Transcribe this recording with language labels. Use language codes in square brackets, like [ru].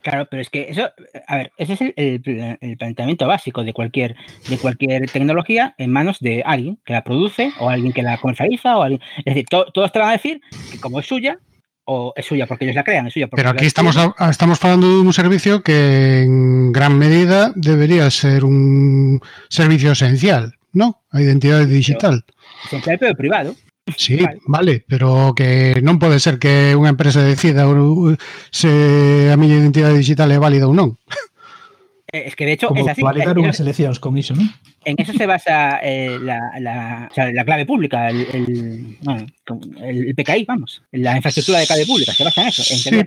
[es] Claro, pero es que eso, a ver, ese es el planteamiento básico de cualquier tecnología en manos de alguien que la produce o alguien que la comercializa. Es decir, todos te van a decir que como es suya, o es suya porque ellos la crean, es suya. Pero aquí estamos hablando de un servicio que en gran medida debería ser un servicio esencial, ¿no? A identidad digital. Esencial pero privado. [gl] Sí, vale, pero que non pode ser que unha empresa decida se a miña identidade digital é válida ou non. [es] Es que, de hecho, como es así. [gl] Validar unhas eleccións con iso, ¿no? [es] En eso se basa la clave pública, el PKI, vamos, la infraestructura de clave pública, se basa en eso, en tener...